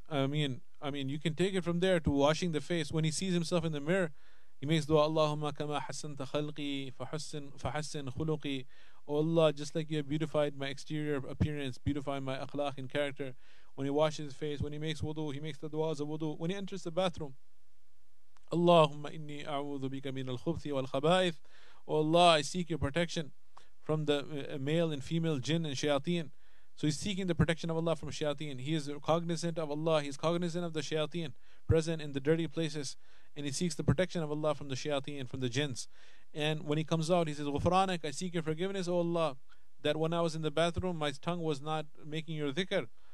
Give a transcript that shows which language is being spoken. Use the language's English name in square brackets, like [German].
[English] I mean, you can take it from there to washing the face. When he sees himself in the mirror, he makes dua, [Arabic] Allahumma kama hassanta khalqi fahassin khuluqi. [English] O Allah, just like you have beautified my exterior appearance, beautify my akhlaq and character. When he washes his face, when he makes wudu, he makes the duas of wudu. When he enters the bathroom, [Arabic] اللهم إني أعوذ بك من الخبث والخبائث. [English] Oh Allah, I seek your protection from the male and female jinn and shayateen. So he's seeking the protection of Allah from shayateen. He is cognizant of Allah. He's cognizant of the shayateen present in the dirty places. And he seeks the protection of Allah from the shayateen, from the jinns. And when he comes out, he says, Ghufranak, I seek your forgiveness, O Allah, that when I was in the bathroom, my tongue was not making your dhikr.